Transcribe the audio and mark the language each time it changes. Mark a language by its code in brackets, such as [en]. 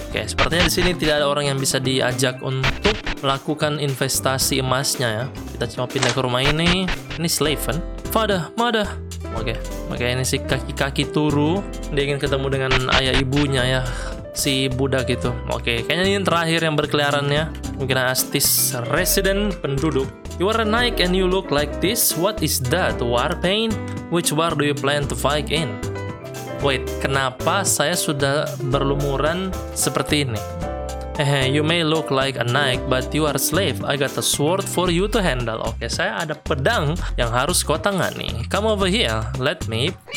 [id] Okay, sepertinya di sini tidak ada orang yang bisa diajak untuk melakukan investasi emasnya ya. Kita cuma pindah ke rumah ini. Ini slave kan? [en] Father, mother. [id] Okay, ini si kaki-kaki turu. Dia ingin ketemu dengan ayah ibunya ya, si budak itu. Okay, kayaknya ini terakhir yang berkeliarannya. Mungkin Astis resident penduduk. [en] You are a knight and you look like this. What is that? War paint? Which war do you plan to fight in? Wait, [id] kenapa saya sudah berlumuran seperti ini? [en] You may look like a knight, but you are a slave. I got a sword for you to handle. [id] Okay, saya ada pedang yang harus kau tangani. [en] Come over here, let me.